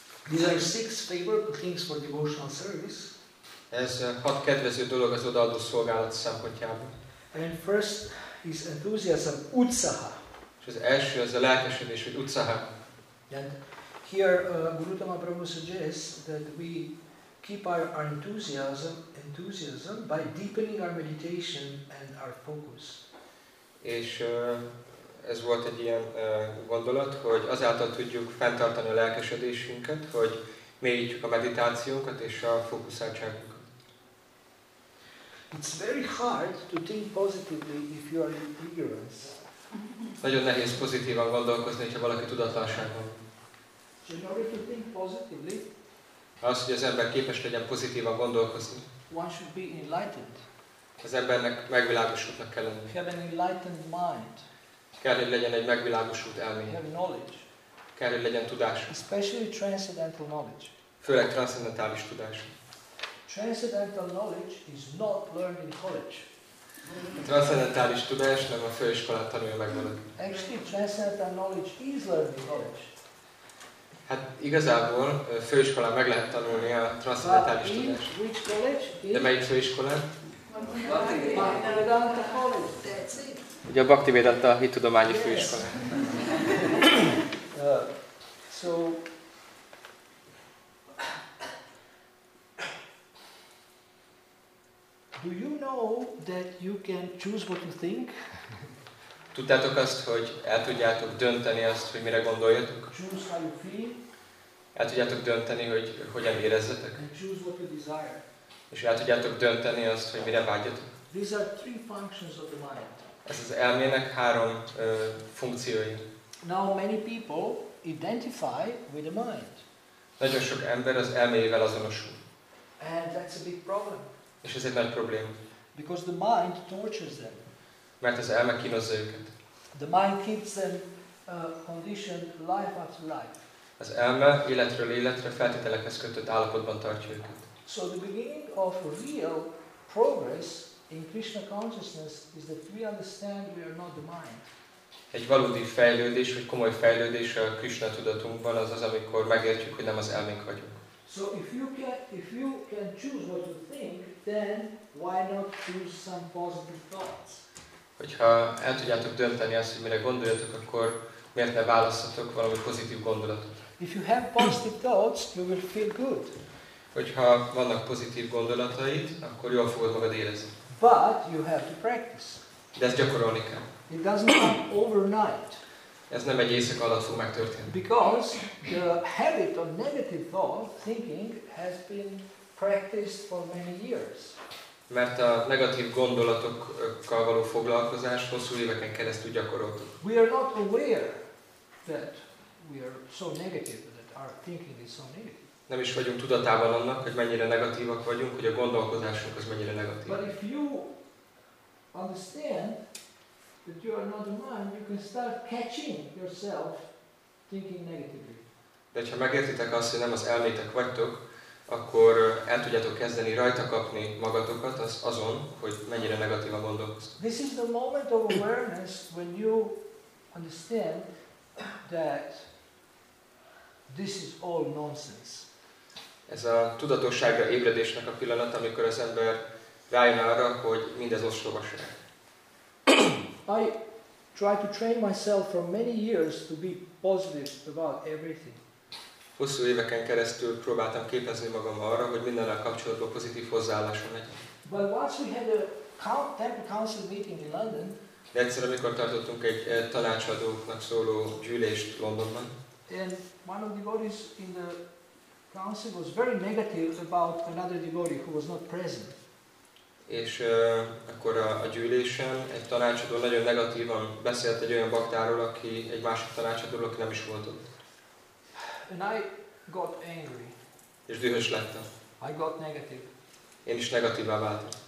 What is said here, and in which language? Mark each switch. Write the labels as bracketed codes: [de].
[en] These are six favorable things for devotional service. [hu] Ez hat kedvező dolog az odaadó szolgálat szempontjából. [en] And first is enthusiasm, utsaha. [hu] És az első az a lelkesedés, hogy utsaha. [en] And here Guru Tama Prabhu suggests that we keep our enthusiasm by deepening our meditation and our focus. [hu] És ez volt egy ilyen gondolat, hogy azáltal tudjuk fenntartani a lelkesedésünket, hogy mélyítjük a meditációnkat és a fókuszáltságunkat. [en] It's very hard to think positively if you are in ignorance. [hu] Nagyon nehéz pozitívan gondolkozni, ha valaki tudatlanságban. [en] In order to think positively, [hu] az, hogy az ember képes legyen pozitívan gondolkozni, [en] one should be enlightened. [hu] Az embernek megvilágosultnak kell lenni. [en] Have an enlightened mind. [hu] Kell, hogy legyen egy megvilágosult elméje. [en] Have knowledge. [hu] Kell, hogy legyen tudása. [en] Especially transcendental knowledge. [hu] Főleg transzendentális tudás. [en] Transcendental knowledge is not learned in college. [hu] Transzendentális tudás nem a főiskolán tanulja meg valaki. [en] Actually, transcendental knowledge is learned in college. [hu] Hát igazából főiskolán meg lehet tanulni a transzendentális tudást. [en] Which college? [hu] De melyik főiskolán? [en] That's it. [hu] Ugye a Bhaktivedanta hittudományi főiskola. [en] So know that you can choose what you think? [hu] Tudjátok azt, hogy el tudjátok dönteni azt, hogy mire gondoljatok? [en] Choose how you feel. [hu] El tudjátok dönteni, hogy hogyan érezzetek? [en] And choose what you desire. [hu] És el tudjátok dönteni azt, hogy mire vágyatok? [en] These are three functions of the mind. [hu] Ez az elmének három funkciója. [en] Now many people identify with the mind. [hu] Nagyon sok ember az elméjével azonosul. [en] And that's a big problem. [hu] És ez egy nagy probléma. [en] Because the mind tortures them. [hu] Mert az elme kínozza őket. [en] The mind keeps them conditioned life after life. [hu] Az elme életről életre feltételekhez kötött állapotban tartja őket. [en] So the beginning of real progress in Krishna consciousness is that we understand we are not the mind. [hu] Egy valódi fejlődés, vagy komoly fejlődés a Krishna tudatunkban az az, amikor megértjük, hogy nem az elménk vagyunk. [en] So if you can choose what you think, then why not choose some positive thoughts? [hu] Hogyha el tudjátok dönteni azt, hogy mire gondoljatok, akkor miért ne választhatok valami pozitív gondolatot? [en] If you have positive thoughts, you will feel good. [hu] Hogyha vannak pozitív gondolataid, akkor jól fogod magad érezni. [en] But you have to practice. [hu] De ezt gyakorolni kell. [en] It doesn't come overnight. [hu] Ez nem egy éjszaka alatt fog megtörténni. [en] Because the habit of negative thought thinking has been practiced for many years. [hu] Mert a negatív gondolatokkal való foglalkozás hosszú éveken keresztül gyakoroltuk. [en] We are not aware that we are so negative, that our thinking is so negative. [hu] Nem is vagyunk tudatában annak, hogy mennyire negatívak vagyunk, hogy a gondolkodásunk az mennyire negatív. [en] But if you understand that you are not the mind, you can start catching yourself thinking negatively. [hu] De ha megértitek azt, hogy nem az elmétek vagytok, akkor el tudjátok kezdeni rajta kapni magatokat az azon, hogy mennyire negatív a gondolkodás. [en] This is the moment of awareness when you understand that this is all nonsense. [hu] Ez a tudatosságra ébredésnek a pillanat, amikor az ember rájön arra, hogy mindez ostobaság. [en] I try to train myself for many years to be positive about everything. [hu] Hosszú éveken keresztül próbáltam képezni magam arra, hogy mindennel kapcsolatban pozitív hozzáállásom legyen. [en] But once we had a temple council meeting in London. [hu] De egyszer, amikor tartottunk egy tanácsadóknak szóló gyűlést Londonban. [en] And one of the devotees in the council was very negative about another devotee who was not present. [hu] És akkor a gyűlésen egy tanácsadó nagyon negatívan beszélt egy olyan baktáról, aki egy másik tanácsadóról, aki nem is volt ott. [en] And I got angry. [hu] És dühös lettem. [en] I got negative. [hu] Én is negatívvá váltam.